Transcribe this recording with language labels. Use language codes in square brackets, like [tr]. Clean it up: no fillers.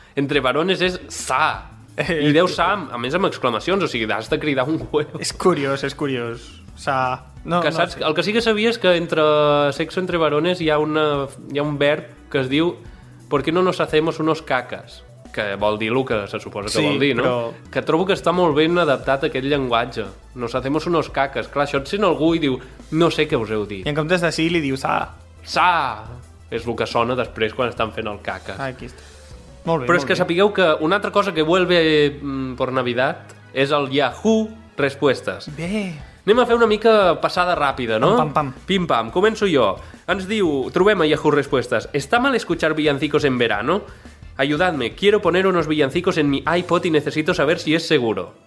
[ca] Entre varones és sa. I deu sa, a més amb exclamacions, o sigui, has de cridar un huevo. És curiós. Sa. No, que saps, no, el que sí que sabia és que entre sexo entre varones hi ha un verb que es diu [es] ¿por qué no nos hacemos unos cacas? [ca] Que vol dir el que se suposa que sí, vol dir, no? Però... Que trobo que està molt ben adaptat a aquest llenguatge. [es] Nos hacemos unos cacas. [ca] Clar, això et sent algú i diu, no sé què us heu dit. I en comptes de sí, li diu sa. Sa! És el que sona després quan estan fent el cacas. Ah, aquí està. Molt bé. Però molt és que bé. Sapigueu que una altra cosa que [es] vuelve por Navidad [ca] és el Yahoo Respuestas. Bé... Anem a fer una mica passada ràpida, no? Pam, pam, pam. Pim, pam. Començo jo. Ens diu... Trobem a [es] Yahoo Respuestas. ¿Está mal escuchar villancicos en verano? Ayudadme. Quiero poner unos villancicos en mi iPod y necesito saber si es seguro.